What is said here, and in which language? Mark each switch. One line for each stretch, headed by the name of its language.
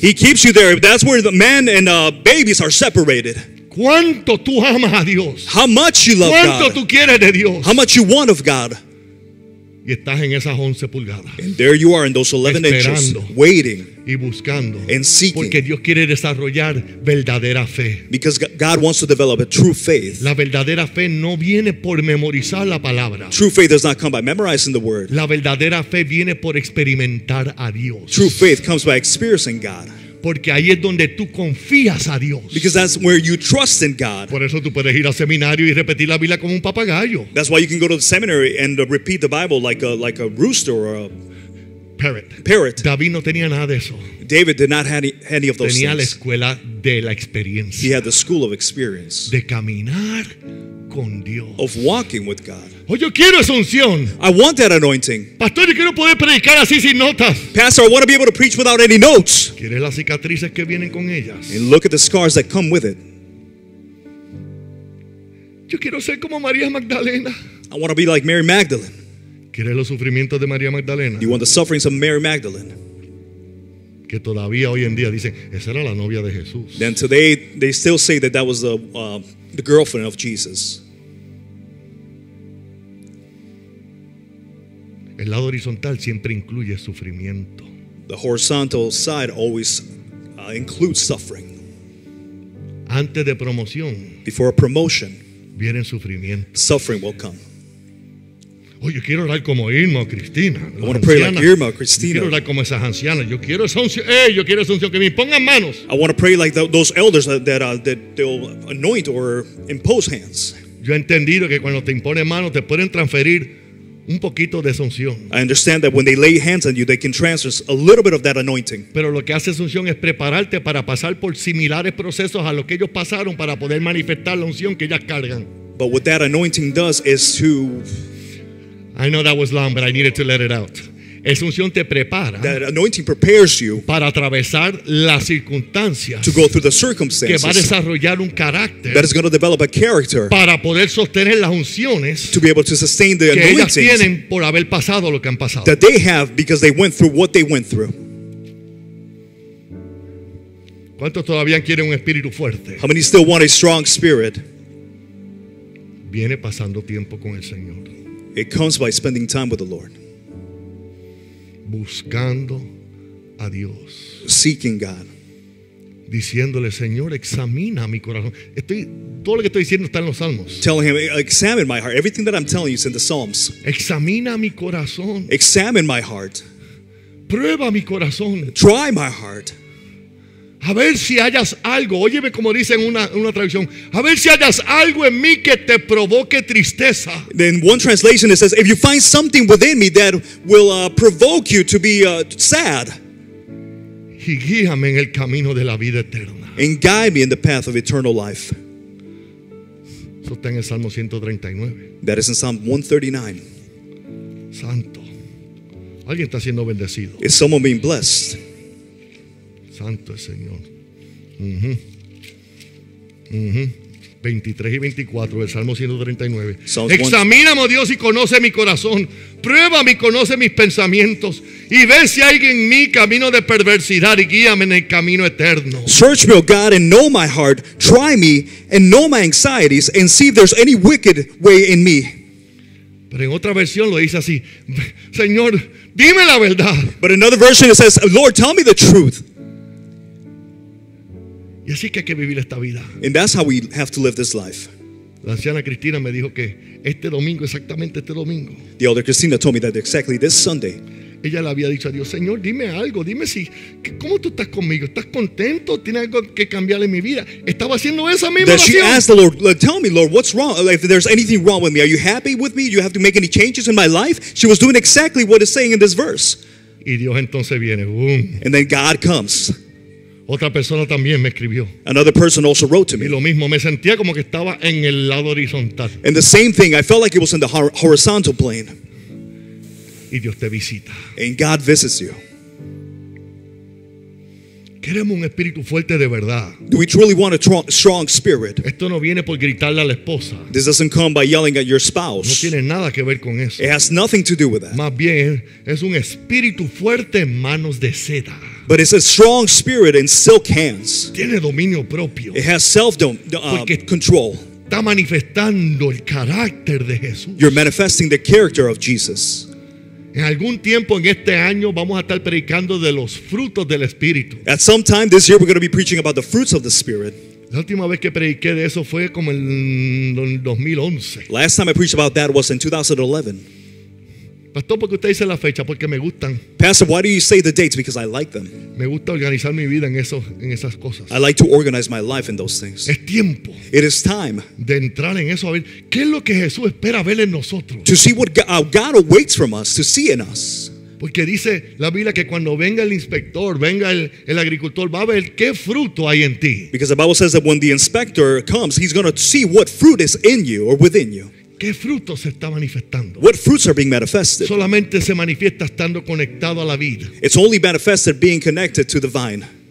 English: He keeps you there. That's where the men and babies are separated.
Spanish: ¿Cuánto tú amas a Dios?
English: How much you love
Spanish: ¿Cuánto
English: God?
Spanish: ¿Cuánto tú quieres de Dios?
English: How much you want of God?
Spanish: Y estás en esas 11 pulgadas.
English: And there you are in those 11 inches, waiting
Spanish: y buscando.
English: And seeking.
Spanish: Porque Dios quiere desarrollar verdadera fe.
English: Because God wants to develop a true faith.
Spanish: La verdadera fe no viene por memorizar la palabra.
English: True faith does not come by memorizing the word.
Spanish: La verdadera fe viene por experimentar a Dios.
English: True faith comes by experiencing God.
Spanish: Porque ahí es donde tú confías a Dios.
English: Because that's where you trust in God.
Spanish: Por eso tú puedes ir al seminario y repetir la Biblia como un papagayo.
English: That's why you can go to the seminary and repeat the Bible like a rooster or a parrot.
Spanish: David no tenía nada de eso.
English: David did not have any of those
Spanish: tenía La escuela de la experiencia.
English: He had the school of experience.
Spanish: De caminar con Dios.
English: Of walking with God.
Spanish: Oh, yo quiero esa unción.
English: I want that anointing.
Spanish: Pastor, yo quiero poder predicar así sin notas.
English: Pastor, I want to be able to preach without any notes.
Spanish: ¿Quieres las cicatrices que vienen con ellas?
English: And look at the scars that come with it.
Spanish: Yo quiero ser como María Magdalena.
English: I want to be like Mary Magdalene.
Spanish: ¿Quieres los sufrimientos de María Magdalena?
English: You want the sufferings of Mary Magdalene.
Spanish: que todavía hoy en día dicen esa era la novia de Jesús.
English: Then today they still say that that was the girlfriend of Jesus.
Spanish: El lado horizontal siempre incluye sufrimiento.
English: The horizontal side always includes suffering.
Spanish: Antes de promoción,
English: before a promotion,
Spanish: viene sufrimiento.
English: Suffering will come.
Spanish: Oh, yo quiero orar como Irma o Cristina.
English: I want to pray like Irma or Christina.
Spanish: Yo quiero orar como esas ancianas. Yo quiero esa unción. Hey, yo quiero esa unción que me pongan manos.
English: I want to pray like those elders that they'll anoint or impose hands.
Spanish: Yo he entendido que cuando te imponen manos te pueden transferir un poquito de esa unción.
English: I understand that when they lay hands on you, they can transfer a little bit of that anointing.
Spanish: Pero lo que hace esa unción es prepararte para pasar por similares procesos a los que ellos pasaron para poder manifestar la unción que ellas cargan.
English: But what that anointing does is to... I know that was long, but I needed to let it out.
Spanish: Esa unción te prepara.
English: That anointing prepares you
Spanish: para atravesar las circunstancias.
English: To go through the circumstances.
Spanish: Que va a desarrollar un carácter.
English: That is going to develop a character.
Spanish: Para poder sostener las unciones.
English: To be able to sustain the anointing.
Spanish: Que ellas tienen por haber pasado lo que han pasado.
English: That they have because they went through what they went through.
Spanish: ¿Cuántos todavía quieren un espíritu fuerte?
English: How many still want a strong spirit?
Spanish: Viene pasando tiempo con el Señor.
English: It comes by spending time with the Lord.
Spanish: Buscando a Dios.
English: Seeking God.
Spanish: Diciéndole, Señor, examina mi corazón. Todo lo que estoy diciendo está en los Salmos.
English: Telling him, examine my heart. Everything that I'm telling you is in the Psalms.
Spanish: Examina mi corazón.
English: Examine my heart.
Spanish: Prueba mi corazón.
English: Try my heart.
Spanish: A ver si hayas algo. Óyeme como dice en una traducción. A ver si hayas algo en mí que te provoque tristeza.
English: Then one translation it says, if you find something within me that will provoke you to be sad.
Spanish: Y guíame en el camino de la vida eterna.
English: And guide me in the path of eternal life.
Spanish: Eso está en el Salmo 139.
English: That is in Psalm 139.
Spanish: Santo. Alguien está siendo bendecido.
English: Is someone being blessed?
Spanish: Santo es Señor. Uh-huh. 23 y 24 del Salmo 139. Examíname, Dios, y conoce mi corazón. Pruébame y conoce mis pensamientos. Y ve si hay en mí camino de perversidad y guíame en el camino eterno.
English: Search me, O God, and know my heart. Try me and know my anxieties and see if there's any wicked way in me.
Spanish: Pero en otra versión lo dice así. Señor, dime la verdad.
English: But another version it says, Lord, tell me the truth.
Spanish: Y así que hay que vivir esta vida.
English: And that's how we have to live this life.
Spanish: La anciana Cristina me dijo que este domingo, exactamente este domingo.
English: The older Christina told me that exactly this Sunday.
Spanish: Ella le había dicho a Dios, Señor, dime algo, dime si, ¿cómo tú estás conmigo? ¿Estás contento? ¿Tienes algo que cambiar en mi vida? Estaba haciendo esa misma
English: that
Spanish: oración.
English: That she asked the Lord, tell me, Lord, what's wrong? Like, if there's anything wrong with me, are you happy with me? Do you have to make any changes in my life? She was doing exactly what it's saying in this verse.
Spanish: Y Dios entonces viene, boom.
English: And then God comes.
Spanish: Otra persona también me escribió.
English: Another person also wrote to me.
Spanish: Y lo mismo, me sentía como que estaba en el lado horizontal.
English: And the same thing, I felt like it was in the horizontal plane.
Spanish: Y Dios te visita.
English: And God visits you.
Spanish: Queremos un espíritu fuerte de verdad.
English: Do we truly want a strong spirit?
Spanish: Esto no viene por gritarle a la esposa.
English: This doesn't come by yelling at your spouse.
Spanish: No tiene nada que ver con eso.
English: It has nothing to do with that.
Spanish: Más bien, es un espíritu fuerte en manos de seda.
English: But it's a strong spirit in silk hands.
Spanish: Tiene dominio propio.
English: It has self control.
Spanish: Está manifestando el carácter de Jesús.
English: You're manifesting the character of Jesus.
Spanish: En algún tiempo en este año vamos a estar predicando de los frutos del Espíritu.
English: At some time this year we're going to be preaching about the fruits of the Spirit.
Spanish: La última vez que prediqué de eso fue como en 2011.
English: Last time I preached about that was in 2011.
Spanish: Pastor, ¿por qué usted dice la fecha? Porque me gustan.
English: Pastor, why do you say the dates? Because I like them.
Spanish: Me gusta organizar mi vida en esas cosas.
English: I like to organize my life in those things.
Spanish: Es tiempo.
English: It is time.
Spanish: De entrar en eso a ver qué es lo que Jesús espera ver en nosotros.
English: To see what God awaits from us, to see in us.
Spanish: Porque dice la Biblia que cuando venga el inspector, venga el agricultor, va a ver qué fruto hay en ti.
English: Because the Bible says that when the inspector comes, he's going to see what fruit is in you or within you.
Spanish: ¿Qué fruto se está manifestando?
English: What fruits are being manifested?
Spanish: Solamente se manifiesta estando conectado a la vid. It's only manifested being connected to the vine.